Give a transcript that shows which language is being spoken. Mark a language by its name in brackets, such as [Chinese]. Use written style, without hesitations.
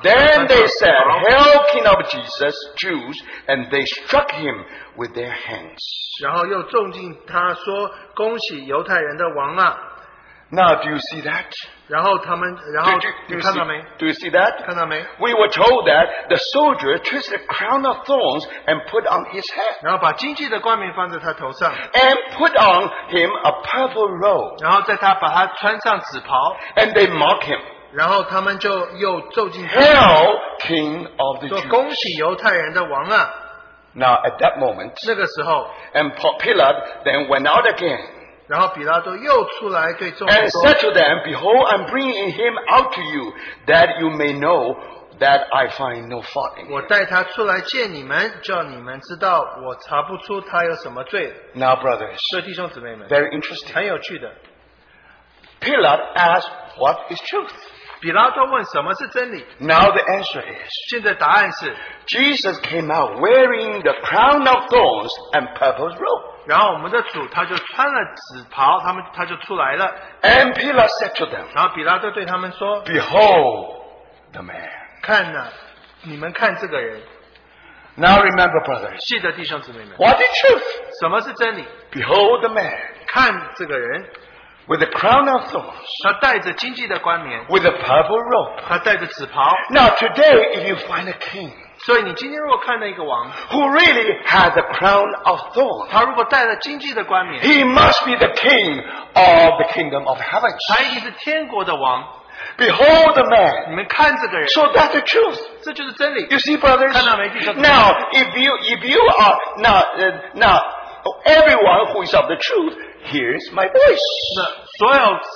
[English] Then they said, "Hail, King of Jesus, Jews," and they struck him with their hands. [Chinese] 然后又重敬他说，恭喜犹太人的王啊。 [English] Now, do you see that? [Chinese] 然后他们, [English] do you see that? [Chinese] 看到没? [English] We were told that the soldier twisted a crown of thorns and put on his head. [Chinese] 然后把荆棘的冠冕放在他头上, [English] and put on him a purple robe. [Chinese] 然后在他把他穿上紫袍, [English] and they mock him. [Chinese] 然后他们就又咒进他, [English] Hail, King of the Jews. [Chinese] 说恭喜犹太人的王啊。 [English] Now, at that moment, [Chinese] 那个时候, [English] and Pilate then went out again. And said to them, "Behold, I'm bringing him out to you, that you may know that I find no fault in him." [Chinese] 我带他出来见你们, 叫你们知道我查不出他有什么罪。 [English] Now, brothers, [Chinese] 各弟兄姊妹们, [English] very interesting. [Chinese] 很有趣的。 [English] Pilate asked, "What is truth?" [Chinese] 比拉多问什么是真理? [English] Now the answer is, [Chinese] 现在答案是, [English] Jesus came out wearing the crown of thorns and purple robe. [Chinese] 然后我们的主他就穿了紫袍, 他就出来了。 [English] And Pilate said to them, [Chinese] 然后比拉多对他们说, [English] Behold the man. [Chinese] 看啊, 你们看这个人。 [English] Now remember, brothers, [Chinese] 记得弟兄姊妹们, [English] what is truth? [Chinese] 什么是真理? [English] Behold the man. [Chinese] 看这个人。 [English] With a crown of thorns, [Chinese] 他戴着荆棘的冠冕, [English] with a purple robe, [Chinese] 他戴着紫袍, [English] now today, if you find a king, [Chinese] 所以你今天如果看到一个王, [English] who really has a crown of thorns, [Chinese] 他如果戴了荆棘的冠冕, [English] he must be the king of the kingdom of heaven. [Chinese] 他一定是天国的王。 [English] Behold the man. [Chinese] 你们看这个人, [English] so that's the truth. [Chinese] 这就是真理。 [English] You see, brothers, [Chinese] 看到没弟兄, [English] now if you are now. Everyone who is of the truth hears my voice.